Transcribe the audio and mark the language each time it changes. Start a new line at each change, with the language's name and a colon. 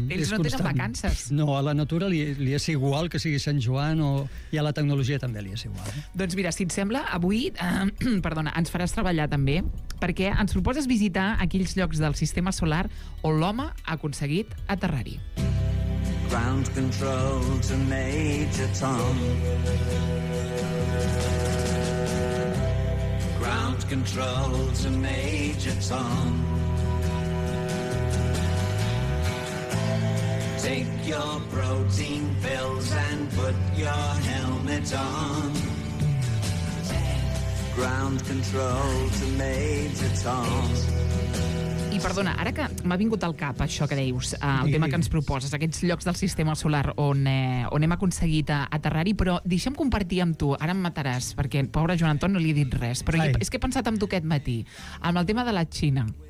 Catalan: Ells no tenen vacances. No, a la natura li és igual que sigui Sant Joan o... I a la tecnologia també li és igual. Doncs mira, si et sembla, avui, perdona, ens faràs treballar també, perquè ens proposes visitar aquells llocs del sistema solar on l'home ha aconseguit aterrar-hi.
English: Ground control to Major Tom. Ground control to Major Tom. Take your protein pills and put your helmet on. Ground control to Major Tom.
Catalan: I perdona, ara que m'ha vingut al cap això que dius, el tema que ens proposes, aquests llocs del sistema solar on hem aconseguit aterrar-hi, però deixa'm compartir amb tu, ara em mataràs, perquè pobre Joan Anton no li he dit res, però és que he pensat amb tu aquest matí, amb el tema de la Xina.